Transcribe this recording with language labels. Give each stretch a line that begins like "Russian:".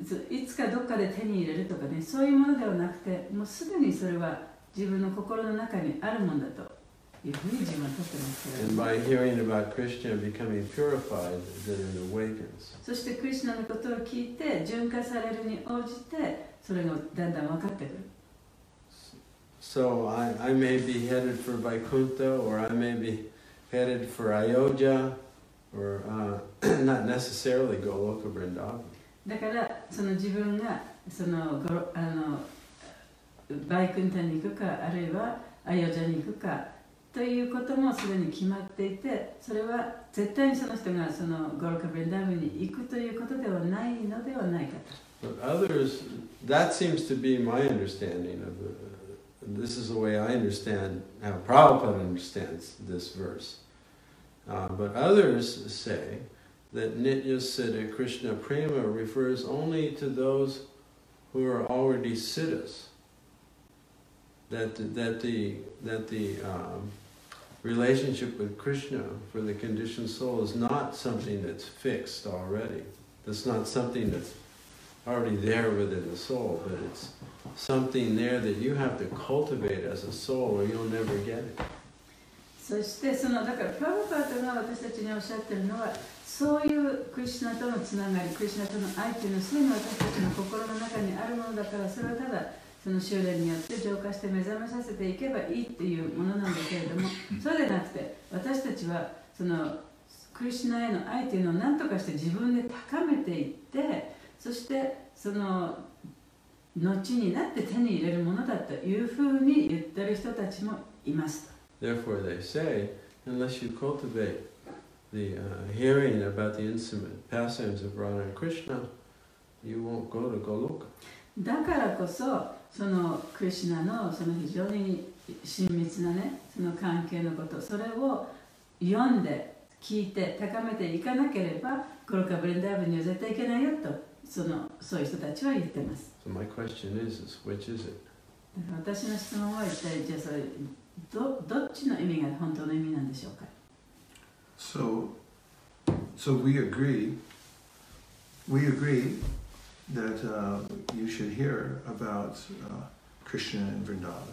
Japanese: いつかどっかで手に入れるとかね、そういうものではなくて、もうすでにそれは自分の心の中にあるものだと。
English: And by hearing about Krishna becoming purified, then it awakens. So I may be headed for Vaikuntha, or I may be headed for Ayodhya, or not necessarily Goloka Vrindavan.
Japanese: ということもすでに決まっていて、それは絶対にその人がそのゴロカブリンダムに行くということではないのではないかと。
English: But others, that seems to be my understanding of the, this is the way I understand how Prabhupada understands this verse. But others say that Nitya Siddha Krishna Prema refers only to those who are already siddhas. That the relationship with Krishna for the conditioned soul is not something that's fixed already. That's not something that's already there within the soul, but it's something there that you have to cultivate as a soul or you'll never get it.
Japanese: そしてそのだからプラブパートが私たちにおっしゃってるのはそういうクリシナとのつながりクリシナとの愛というのはすでに私たちの心の中にあるものだからそれはただその修練によって浄化して目覚めさせていけばいいっていうものなんだけれどもそうでなくて私たちはそのクリシナへの愛というのを何とかして自分で高めていってそしてその後になって手に入れるものだというふうに言ってる人たちもいますと。
English: Therefore, they say, unless you cultivate the hearing about the intimate pastimes of Radha and Krishna, you won't go to Goloka.
Japanese: だからこそ、そのクリシナのその非常に親密なね、その関係のこと、それを読んで、聞いて、高めていかなければ、ゴロカ・ブリンダーヴァンには絶対いけないよと、そういう人たちは言ってます。
English: So my question is, which is it?
Japanese: 私の質問は一体、じゃあそれ、どっちの意味が本当の意味なんでしょうか?
English: So we agree that you should hear about Krishna and Vrindavan.